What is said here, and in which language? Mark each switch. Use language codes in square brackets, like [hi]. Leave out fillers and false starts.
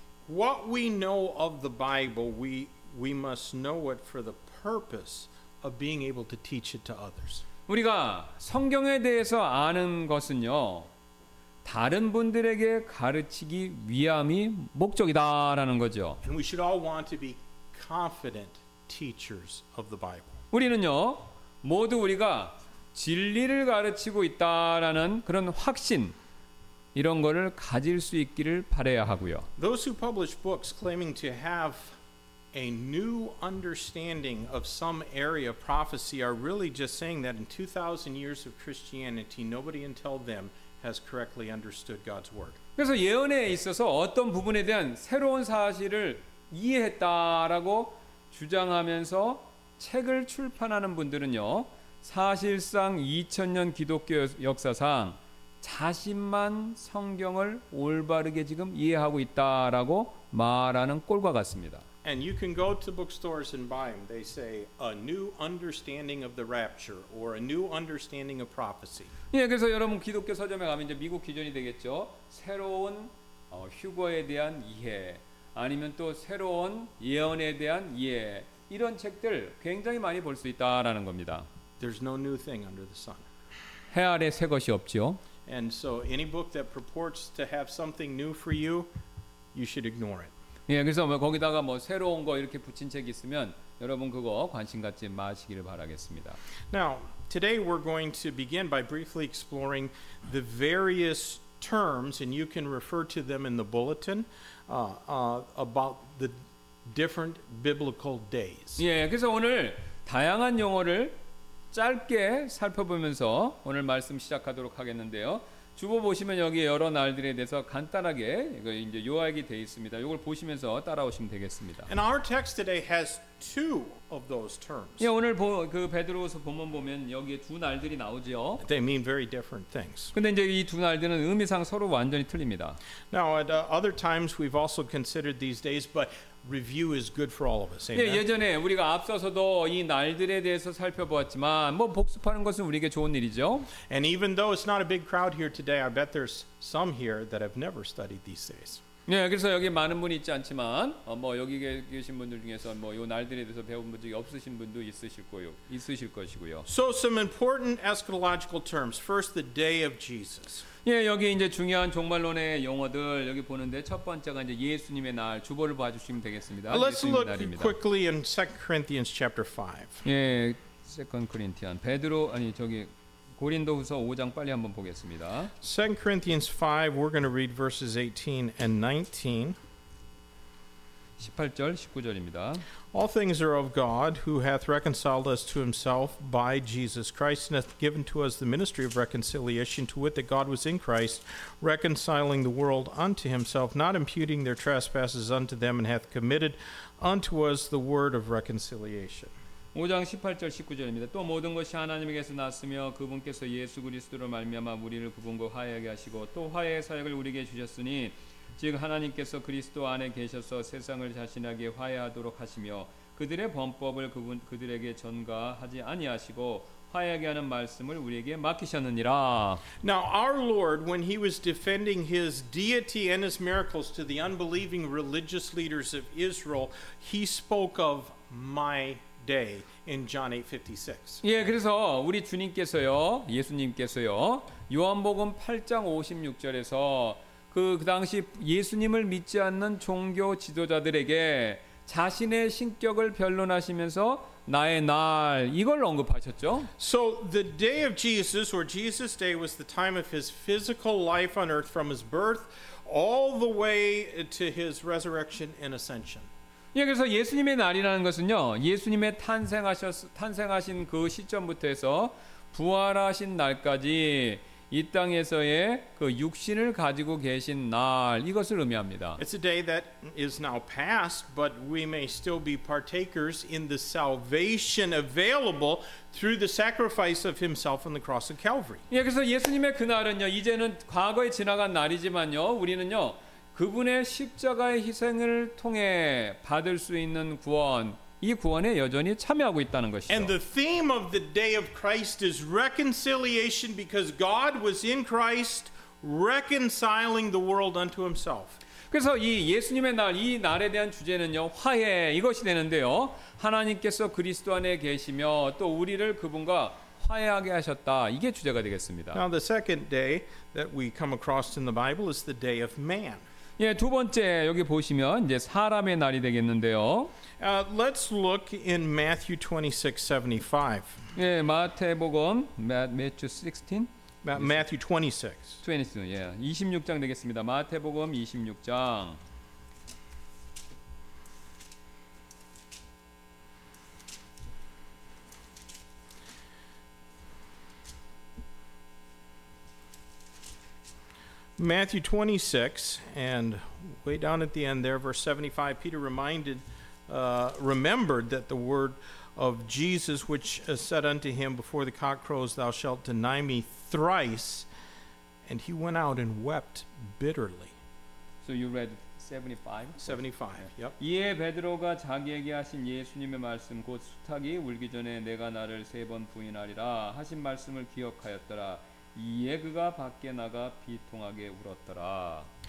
[en] What we know of the Bible, we must know it for the purpose of being able to teach it to others. [ko] 우리가 성경에 대해서 아는 것은요 다른 분들에게 가르치기 위함이 목적이다라는 거죠. [en] And we should all want to be confident teachers of the Bible. [ko] 우리는요 모두 우리가 진리를 가르치고 있다라는 그런 확신 이런 거를 가질 수 있기를 바래야 하고요. [en] Those who publish books claiming to have a new understanding of some area of prophecy are really just saying that in 2000 years of Christianity nobody until them has correctly understood God's word. [ko] 그래서 예언에 있어서 어떤 부분에 대한 새로운 사실을 이해했다라고 주장하면서 책을 출판하는 분들은요. 사실상 2000년 기독교 역사상 자신만 성경을 올바르게 지금 이해하고 있다라고 말하는 꼴과 같습니다. [en] And you can go to bookstores and buy them. They say a new understanding of the rapture or a new understanding of prophecy. [ko] 예, 그래서 여러분 기독교 서점에 가면 이제 미국 기준이 되겠죠. 새로운 휴거에 대한 이해 아니면 또 새로운 예언에 대한 이해 이런 책들 굉장히 많이 볼 수 있다라는 겁니다. [en] There's no new thing under the sun. [ko] 해 아래 새 것이 없죠. [en] And so any book that purports to have something new for you, you should ignore it. [ko] 예, 그래서 뭐 거기다가 뭐 새로운 거 이렇게 붙인 책 있으면 여러분 그거 관심 갖지 마시기를 바라겠습니다. [en] Now, today we're going to begin by briefly exploring the various terms, and you can refer to them in the bulletin about the different biblical days. [ko] 예, 그래서 오늘 다양한 용어를 짧게 살펴보면서 오늘 말씀 시작하도록 하겠는데요. 주보 보시면 여기 여러 날들에 대해서 간단하게 이거 이제 요약이 돼 있습니다. 이걸 보시면서 따라오시면 되겠습니다. [en] And our text today has two of those terms. [ko] 예, 오늘 그 베드로서 본문 보면 여기에 두 날들이 나오죠. [en] They mean very different things. [ko] 근데 이제 이 두 날들은 의미상 서로 완전히 틀립니다. [en] Now at other times we've also considered these days, but review is good for all of us. Amen? [ko] 예, 예전에 우리가 앞서서도 이 날들에 대해서 살펴보았지만 뭐 복습하는 것은 우리에게 좋은 일이죠. [en] And even though it's not a big crowd here today, I bet there's some here that have never studied these days. [ko] 네, 예, 그래서 여기 많은 분이 있지 않지만 뭐 여기 계신 분들 중에서 뭐 요 날들에 대해서 배운 분들이 없으신 분도 있으실 거요. 있으실 것이고요. [en] So some important eschatological terms. First the day of Jesus. [ko] 예, 여기 이제 중요한 종말론의 용어들 여기 보는데 첫 번째가 이제 예수님의 날 주보를 봐 주시면 되겠습니다. [en] Let's look quickly in 2 Corinthians chapter 5. 예, 2 Corinthians. [ko] 베드로 아니 저기 고린도후서 5장 빨리 한번 보겠습니다. [en] 2 Corinthians 5, we're going to read verses 18 and 19. [ko] 18절, 19절입니다. [en] All things are of God, who hath reconciled us to himself by Jesus Christ, and hath given to us the ministry of reconciliation, to wit that God was in Christ, reconciling the world unto himself, not imputing their trespasses unto them, and hath committed unto us the word of reconciliation. [ko] 5장 18절 19절입니다. 또 모든 것이 하나님에게서 났으며 그분께서 예수 그리스도로 말미암아 우리를 그분과 화해하게 하시고 또 화해의 사역을 우리에게 주셨으니 즉 하나님께서 그리스도 안에 계셔서 세상을 자신에게 화해하도록 하시며 그들의 범법을 그들에게 전가하지 아니하시고 화해하게 하는 말씀을 우리에게 맡기셨느니라. [en] Now our Lord, when he was defending his deity and his miracles to the unbelieving religious leaders of Israel, he spoke of my day in John 8:56. [ko] 예, 그래서 우리 주님께서요, 예수님께서요, 요한복음 8장 56절에서 그 당시 예수님을 믿지 않는 종교 지도자들에게 자신의 신격을 변론하시면서 나의 날 이걸 언급하셨죠. [en] So the day of Jesus or Jesus day was the time of his physical life on earth from his birth all the way to his resurrection and ascension. [ko] 예, 그래서 예수님의 날이라는 것은요, 예수님의 탄생하신 그 시점부터 해서 부활하신 날까지 이 땅에서의 그 육신을 가지고 계신 날 이것을 의미합니다. [en] It's a day that is now past, but we may still be partakers in the salvation available through the sacrifice of Himself on the cross of Calvary. [ko] 예, 그래서 예수님의 그날은요, 이제는 과거에 지나간 날이지만요, 우리는요 그분의 십자가의 희생을 통해 받을 수 있는 구원. 이 구원에 여전히 참여하고 있다는 것이죠. [en] And the theme of the day of Christ is reconciliation because God was in Christ reconciling the world unto himself. [ko] 그래서 이 예수님의 날, 이 날에 대한 주제는요, 화해 이것이 되는데요. 하나님께서 그리스도 안에 계시며 또 우리를 그분과 화해하게 하셨다. 이게 주제가 되겠습니다. [en] Now the second day that we come across in the Bible is the day of man. [ko] 예, 두 번째 여기 보시면 이제 사람의 날이 되겠는데요. [en] Let's look in Matthew 26:75. [ko] 예, 마태복음 Matthew 16. Matthew 26. 26. 예, 26장 되겠습니다. 마태복음 26장. [en] Matthew 26, and way down at the end there, verse 75, Peter remembered that the word of Jesus, which said unto him, Before the cock crows, thou shalt deny me thrice, and he went out and wept bitterly. So you read 75? 75, [ko] yep. 이에 베드로가 자기에게 하신 예수님의 말씀, 곧 수탉이 울기 전에 내가 나를 세 번 부인하리라 하신 말씀을 기억하였더라. 이에 그가 밖에 나가 비통하게 울었더라.